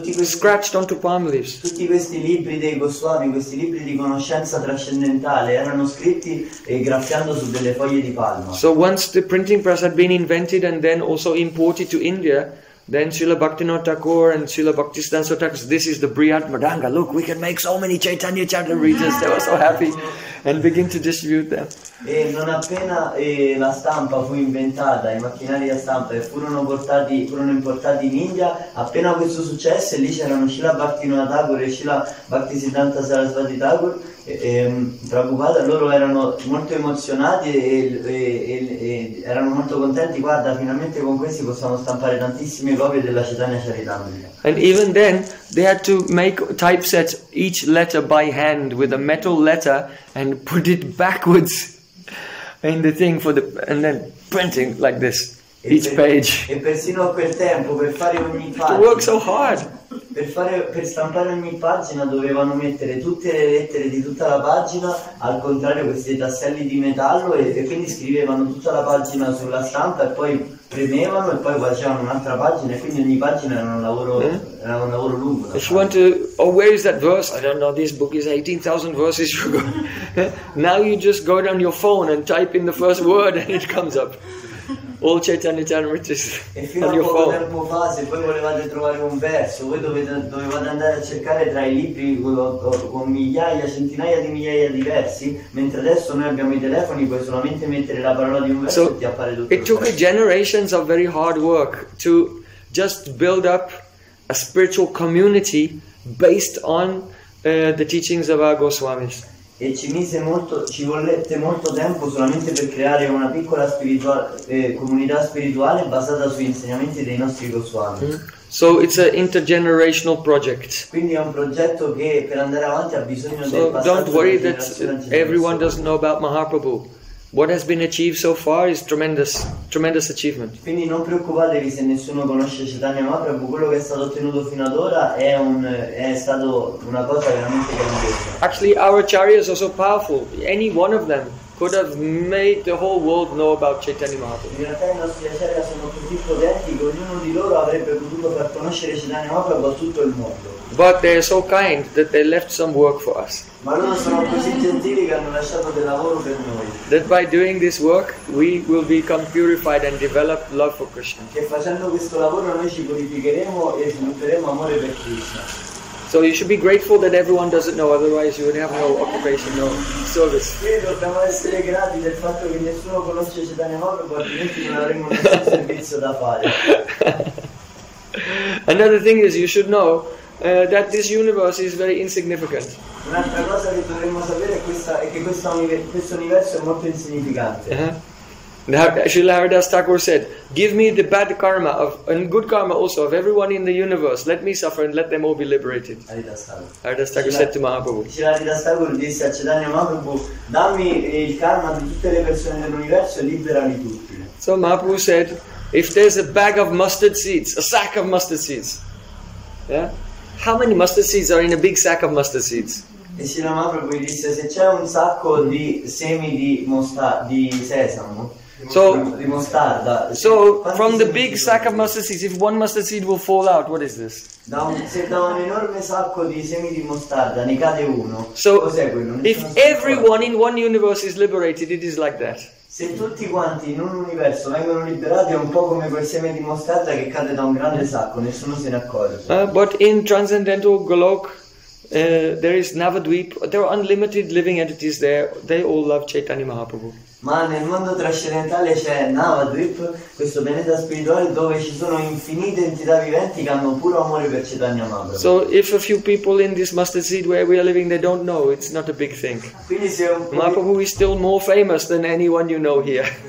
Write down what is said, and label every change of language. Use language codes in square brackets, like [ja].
[en] Scratched onto palm leaves. [it] Tutti questi libri dei Goswami, questi libri di conoscenza trascendentale, erano scritti e graffiando su delle foglie di palma. [en] So once the printing press had been invented and then also imported to India, then Srila Bhaktivinoda Thakur and Srila Bhaktisiddhanta Thakur, this is the Brihat Madanga. Look, we can make so many Chaitanya Charitamritas. They were so happy and begin to distribute them. [it] E non appena la stampa fu inventata, i macchinari da stampa furono importati in India, appena questo successe, lì c'erano Srila Bhaktivinoda Thakur e Srila Bhaktisiddhanta Sarasvati Thakur, preoccupati, loro erano molto emozionati e erano molto contenti, guarda, finalmente con questi possiamo stampare tantissime copie della Chaitanya Charitamrita. [en] And even then, they had to make typesets each letter by hand with a metal letter and put it backwards in the thing for the and then printing like this each page. [it] E persino a quel tempo per fare ogni pagina. [en] To work so hard. [it] Per stampare ogni pagina dovevano mettere tutte le lettere di tutta la pagina al contrario questi tasselli di metallo e quindi scrivevano tutta la pagina sulla stampa e poi premevano e poi facevano un'altra pagina e quindi ogni pagina era un lavoro lungo. [en] If you want to, oh, where is that verse? I don't know. This book is 18,000 verses. Now you just go down your phone and type in the first word and it comes up. All Chaitanya Charitamrita on your phone. [it] Tempo fa, se voi volevate trovare un verso, voi dovevate andare a cercare tra i libri con migliaia, centinaia di migliaia di versi, mentre adesso noi abbiamo i telefoni, puoi solamente mettere la parola di un verso e ti appare tutto. [en] It took generations of very hard work to just build up a spiritual community based on the teachings of our Goswamis. [it] E ci volette molto tempo solamente per creare una piccola comunità spirituale basata sugli insegnamenti dei nostri Goswami. Mm. [en] So it's an intergenerational project. [it] Quindi è un progetto che per andare avanti ha bisogno del passaggio. [en] So don't worry that everyone doesn't know about Mahaprabhu. What has been achieved so far is tremendous, tremendous achievement. [it] Quindi non preoccupatevi se nessuno conosce Chaitanya Mahaprabhu, quello che è stato ottenuto fino ad ora è stato una cosa veramente grandiosa. [en] Actually, our acharyas are so powerful. Any one of them could have made the whole world know about Chaitanya Mahaprabhu. [it] In realtà i nostri acharyas sono così potenti che ognuno di loro avrebbe potuto far conoscere Chaitanya Mahaprabhu a tutto il mondo. [en] But they are so kind that they left some work for us. [it] Ma loro sono così gentili che hanno lasciato del lavoro per noi. [en] That by doing this work, we will become purified and develop love for Krishna. [it] Che facendo questo lavoro noi ci purificheremo e svilupperemo amore per Krishna. [en] So you should be grateful that everyone doesn't know, otherwise you would have no occupation, no service. [it] Quindi dobbiamo essere grati del fatto che nessuno conosce Chaitanya Mahaprabhu, altrimenti non avremo nessun servizio da fare. [en] Another thing is, you should know that this universe is very insignificant. [it] Un'altra cosa che dovremmo sapere è che questo universo è molto insignificante. [en] Srila Haridas Thakur said, "Give me the bad karma of and good karma also of everyone in the universe. Let me suffer and let them all be liberated." Haridas Thakur said to Mahaprabhu. [it] Srila Haridas Thakur disse a Chaitanya Mahaprabhu, "Dammi il karma di tutte le persone dell'universo e liberami tutti." [en] So Mahaprabhu said, "If there's a bag of mustard seeds, a sack of mustard seeds, yeah." How many mustard seeds are in a big sack of mustard seeds? [it] E Srila Mahaprabhu disse, se c'è un sacco di semi di mostarda. [en] So from the big sack of mustard seeds, if one mustard seed will fall out, what is this? [it] Da un enorme sacco di semi di mostarda ne cade uno. [en] So [it] cos'è quello? [en] If everyone in one universe is liberated, it is like that. [it] Se tutti quanti in un universo vengono liberati è un po' come quel seme di mostarda che cade da un grande sacco, nessuno se ne accorge. [en] But in transcendental Golok, there is Navadvip, there are unlimited living entities there, they all love Chaitanya Mahaprabhu. [it] Ma nel mondo trascendentale c'è Navadvip, questo pianeta spirituale dove ci sono infinite entità viventi che hanno puro amore per Chaitanya Mahaprabhu. [en] So if a few people in this mustard seed where we are living they don't know, it's not a big thing. [it] Quindi se un [en] Mahaprabhu is still more famous than anyone you know here.